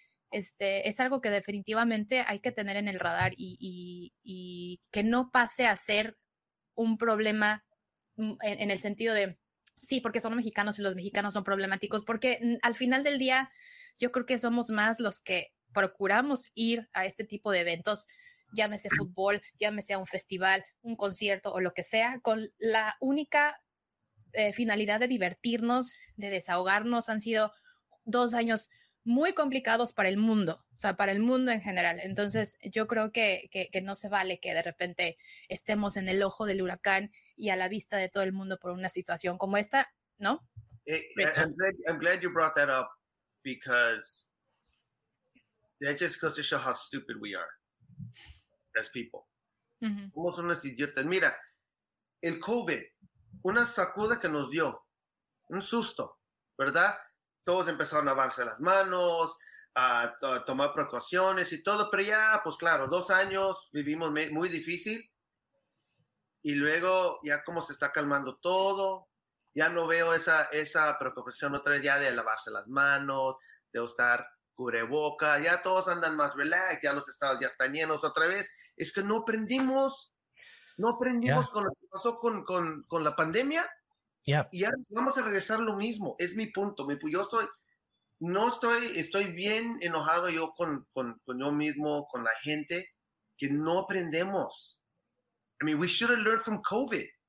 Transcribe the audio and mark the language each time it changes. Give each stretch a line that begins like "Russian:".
Spanish: Es algo que definitivamente hay que tener en el radar y que no pase a ser un problema en el sentido de, sí, porque son mexicanos y los mexicanos son problemáticos, porque al final del día yo creo que somos más los que procuramos ir a este tipo de eventos, llámese fútbol, llámese a un festival, un concierto o lo que sea, con la única finalidad de divertirnos, de desahogarnos. Han sido 2 años muy complicados para el mundo, o sea, para el mundo en general. Entonces yo creo que no se vale que de repente estemos en el ojo del huracán y a la vista de todo el mundo por una situación como esta, ¿no?
English: I'm glad you brought that up because that just goes to show how stupid we are as people.
Spanish: Mm-hmm. Somos unos idiotas. Mira, el COVID, una sacuda que nos dio, un susto, ¿verdad? Todos empezaron a lavarse las manos, a tomar precauciones y todo, pero ya, pues claro, 2 años vivimos muy difícil. Y luego ya como se está calmando todo, ya no veo esa preocupación otra vez ya de lavarse las manos, de usar cubreboca, ya todos andan más relax, ya los estados ya están llenos otra vez. Es que no aprendimos con lo que pasó con la pandemia.
English: Yeah.
Spanish: Y ya vamos a regresar lo mismo, es mi punto. Yo estoy bien enojado yo con yo mismo, con la gente, que no aprendemos.
English: I mean, we should have learned from COVID.